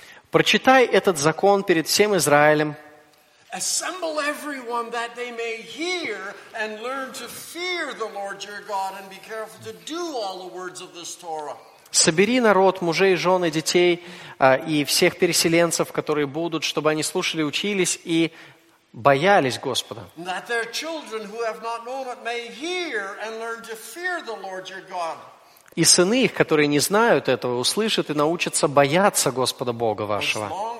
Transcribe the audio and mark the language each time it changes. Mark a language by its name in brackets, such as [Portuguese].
[Russian] Прочитай этот закон перед всем Израилем. [English] Assemble everyone that they may hear and learn to fear the Lord your God and be careful to do all the words of this Torah. [Russian] Собери народ, мужей, жен и детей, и всех переселенцев, которые будут, чтобы они слушали, учились и боялись Господа. [English] That their children who have not known it may hear and learn to fear the Lord your God. [Russian] И сыны их, которые не знают этого, услышат и научатся бояться Господа Бога вашего.